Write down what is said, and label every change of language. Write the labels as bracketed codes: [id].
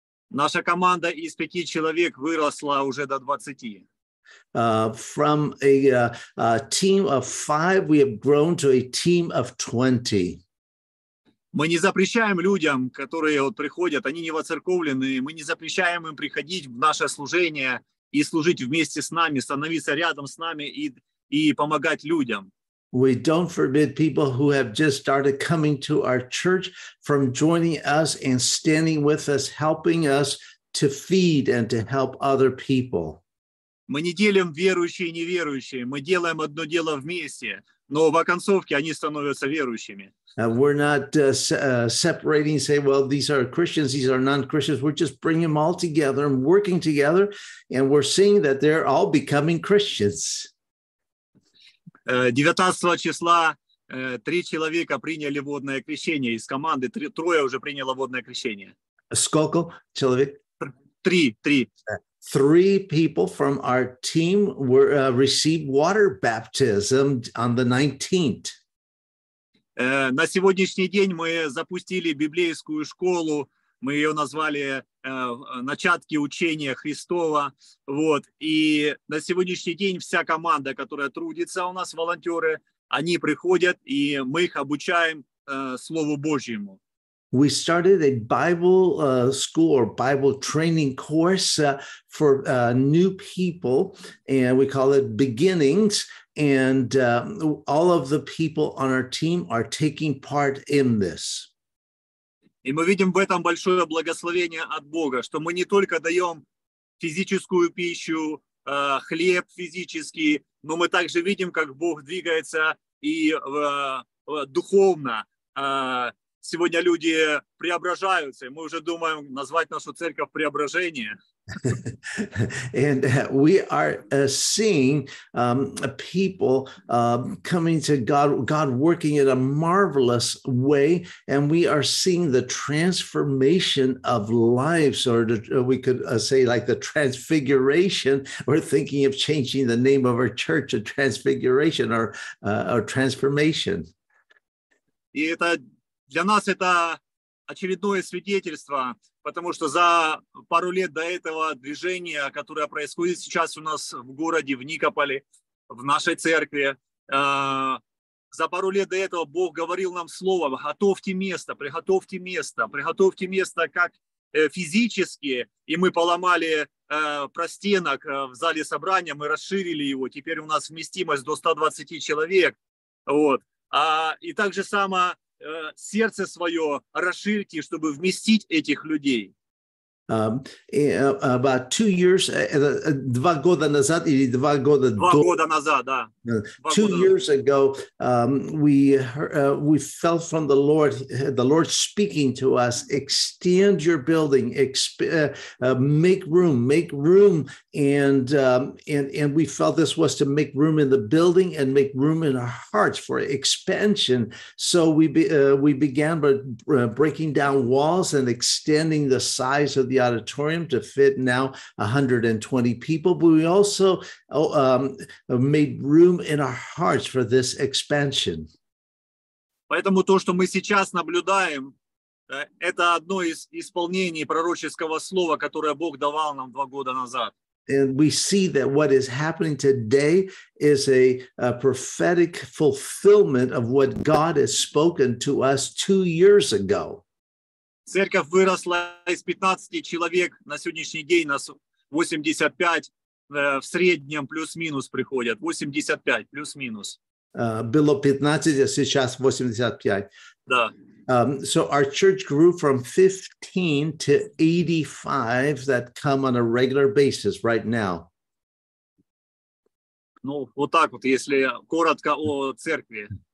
[ru] Наша команда из 5 человек выросла уже до 20. [en] From a team of 5, we have grown to a team of 20. [ru] Мы не запрещаем людям, которые вот приходят, они не воцерковлены, мы не запрещаем им приходить в наше служение и служить вместе с нами, становиться рядом с нами и помогать людям. [en] We don't forbid people who have just started coming to our church from joining us and standing with us, helping us to feed and to help other people. [ru] Мы не делим верующие и неверующие. Мы делаем одно дело вместе. Но в оконцовке они становятся верующими. [en] We're not separating, say, well, these are Christians, these are non-Christians. We're just bringing them all together and working together, and we're seeing that they're all becoming Christians. [ru] 19 числа три человека приняли водное крещение из команды. Трое уже приняло водное крещение. Сколько человек? Три. [en] Three people from our team were received water baptism on the 19th. [ru] На сегодняшний день мы запустили библейскую школу. Мы ее назвали «Начатки учения Христова». Вот. И на сегодняшний день вся команда, которая трудится у нас, волонтеры, они приходят, и мы их обучаем Слову Божьему. [en] We started a Bible school or Bible training course for new people, and we call it Beginnings, and all of the people on our team are taking part in this. [ru] И мы видим в этом большое благословение от Бога, что мы не только даем физическую пищу, хлеб физический, но мы также видим, как Бог двигается и духовно. Сегодня люди преображаются, и мы уже думаем назвать нашу церковь «Преображение». [en] And we are seeing people coming to God, God working in a marvelous way, and we are seeing the transformation of lives, or we could say like the transfiguration. We're thinking of changing the name of our church to transfiguration or transformation. [ru] И это для нас это очередное свидетельство, потому что за пару лет до этого движения, которое происходит сейчас у нас в городе, в Никополе, в нашей церкви, за пару лет до этого Бог говорил нам слово: «Готовьте место, приготовьте место, приготовьте место как физически». И мы поломали простенок в зале собрания, мы расширили его, теперь у нас вместимость до 120 человек. Вот. И так же само сердце свое расширьте, чтобы вместить этих людей. [en] About 2 years, two years ago, we felt from the Lord speaking to us, extend your building, make room, and we felt this was to make room in the building and make room in our hearts for expansion. So we began breaking down walls and extending the size of the auditorium to fit now 120 people, but we also made room in our hearts for this expansion. [ru] Поэтому то, что мы сейчас наблюдаем, это одно из исполнений пророческого слова, которое Бог давал нам 2 года назад. [en] And we see that what is happening today is a prophetic fulfillment of what God has spoken to us 2 years ago. [ru] Церковь выросла из 15 человек, на сегодняшний день нас 85, в среднем плюс-минус приходят, 85 плюс-минус. Было 15, а сейчас 85. Да. [en] So our church grew from 15 to 85 that come on a regular basis right now. [ru] Ну, вот так вот, если коротко о церкви.